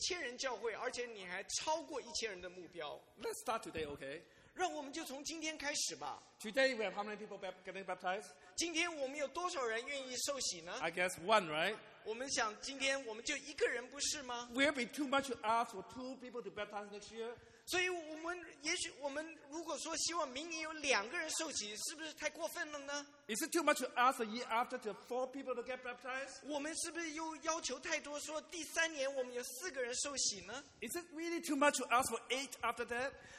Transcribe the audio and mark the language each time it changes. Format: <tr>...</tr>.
<zh>不单单第十一年你可以成为千人教会，而且你还超过1000人的目标。</zh> <en>Let's start today, okay?</en> <zh>让我们就从今天开始吧。</zh> <en>Today we have how many people getting baptized?</en> <zh>今天我们有多少人愿意受洗呢?</zh> <en>I guess one, right?</en> <zh>我们想今天我们就一个人不是吗?</zh> <en>Will it be too much to ask for two people to baptize next year?</en> <zh>所以我们如果说希望明年有2个人受洗，是不是太过分了呢?</zh> <en>Is it too much to ask the year after to have 4 people to get baptized?</en> <zh>我们是不是又要求太多，说第三年我们有4个人受洗呢?</zh> <en>Is it really too much to ask for 8 after that?</en>